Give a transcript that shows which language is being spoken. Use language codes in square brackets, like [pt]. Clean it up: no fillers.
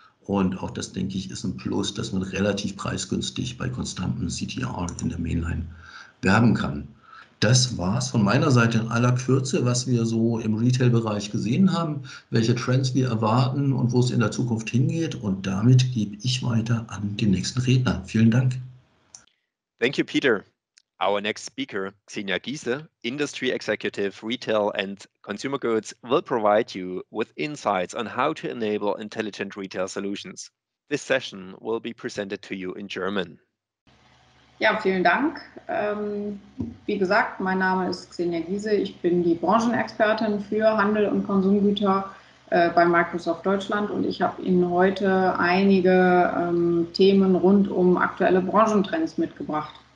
[de] Und auch das, denke ich, ist ein Plus, dass man relativ preisgünstig bei konstantem CTR in der Mainline werben kann. Das war es von meiner Seite in aller Kürze, was wir so im Retail-Bereich gesehen haben, welche Trends wir erwarten und wo es in der Zukunft hingeht. Und damit gebe ich weiter an den nächsten Redner. Vielen Dank. [en] Thank you, Peter. Our next speaker, Xenia Giese, Industry Executive, Retail and Consumer Goods, will provide you with insights on how to enable intelligent retail solutions. This session will be presented to you in German. [de] Ja, vielen Dank. Wie gesagt, mein Name ist Xenia Giese. Ich bin die Branchenexpertin für Handel und Konsumgüter bei Microsoft Deutschland und ich habe Ihnen heute einige Themen rund um aktuelle Branchentrends mitgebracht.